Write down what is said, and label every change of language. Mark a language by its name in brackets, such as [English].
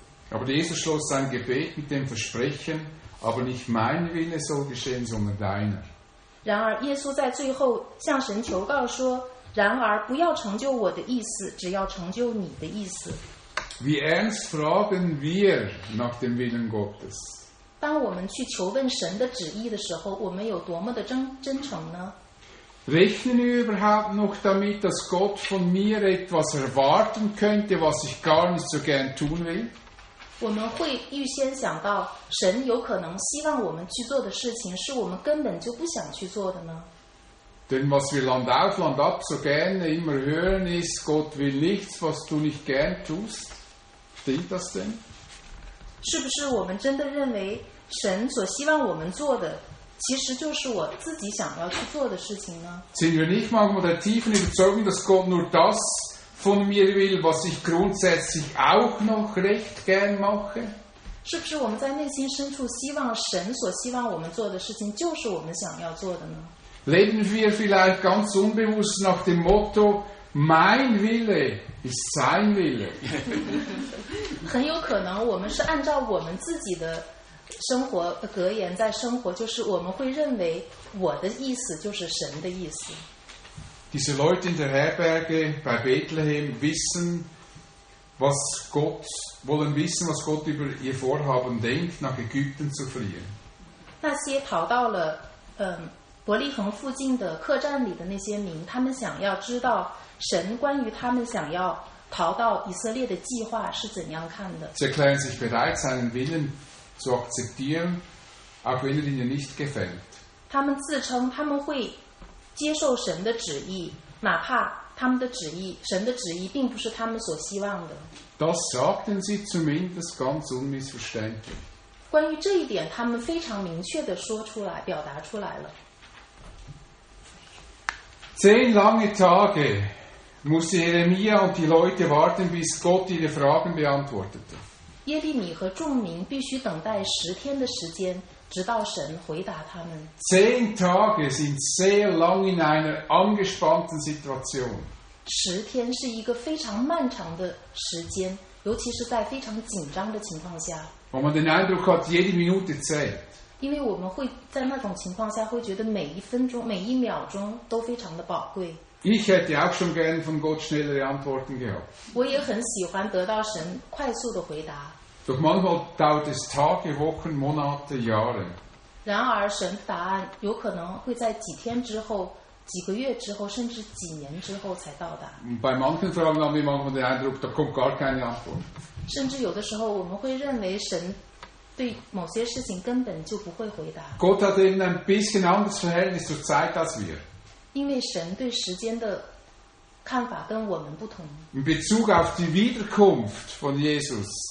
[German] Aber Jesus schloss sein Gebet mit dem Versprechen, aber nicht mein Wille soll geschehen, sondern deiner. [Chinese] 然而耶稣在最后向神求告说，然而不要成就我的意思，只要成就你的意思。 [German] Wie ernst fragen wir nach dem Willen Gottes? [Chinese] 当我们去求问神的旨意的时候，我们有多么的真诚呢？ [German] Rechnen wir überhaupt noch damit, dass Gott von mir etwas erwarten könnte, was ich gar nicht so gern tun will? [Chinese] 我们会预先想到神有可能希望我们去做的事情是我们根本就不想去做的呢？ [German] Denn was wir Land auf Land ab so gerne immer hören ist, Gott will nichts, was du nicht gern tust. Stimmt das denn? [Chinese] 是不是我们真的认为神所希望我们做的其实就是我自己想要去做的事情呢。 [German] Sind wir nicht manchmal der tiefen Überzeugung, dass Gott nur das von mir will, was ich grundsätzlich auch noch recht gern mache? [Chinese] 是不是我们在内心深处希望神所希望我们做的事情就是我们想要做的呢？ [German] Leben wir vielleicht ganz unbewusst nach dem Motto, mein Wille ist sein Wille? [Chinese] 很有可能我们是按照我们自己的生活格言在生活，就是我们会认为我的意思就是神的意思。 [German] Diese Leute in der Herberge bei Bethlehem wissen, was Gott, wollen wissen, was Gott über ihr Vorhaben denkt, nach Ägypten zu fliehen. [Chinese] 那些逃到了伯利恒附近的客栈里的那些民，他们想要知道神关于他们想要逃到以色列的计划是怎样看的。 [German] Sie erklären sich bereit, seinen Willen zu akzeptieren, auch wenn er ihnen nicht gefällt. [Chinese] 他们自称他们会接受神的旨意，哪怕他们的旨意，神的旨意并不是他们所希望的。 [German] Das sagten sie zumindest ganz unmissverständlich. [Chinese] 关于这一点，他们非常明确地说出来，表达出来了。 [German] 10 lange Tage musste Jeremia und die Leute warten, bis Gott ihre Fragen beantwortete. [Chinese] 耶利米和众民必须等待十天的时间。直到神回答他们。 [German] 10 Tage sind sehr lang in einer angespannten Situation. [Chinese] 十天是一个非常漫长的时间，尤其是在非常紧张的情况下。 [German] Wo man den Eindruck hat, jede Minute zählt. [Chinese] 因为我们会在那种情况下会觉得每一分钟、每一秒钟都非常的宝贵。 [German] Ich hätte auch schon gerne von Gott schnellere Antworten gehabt. [Chinese] 我也很喜欢得到神快速的回答。 [German] Doch manchmal dauert es Tage, Wochen, Monate, Jahre. [Chinese] 然而神答案有可能会在几天之后、几个月之后，甚至几年之后才到达。 [German] Bei manchen Fragen haben wir manchmal den Eindruck, da kommt gar keine Antwort. [Chinese] 甚至有的时候我们会认为神对某些事情根本就不会回答。 [German] Gott hat eben ein bisschen anderes Verhältnis zur Zeit als wir. [Chinese] 因为神对时间的看法跟我们不同。 [German] In Bezug auf die Wiederkunft von Jesus.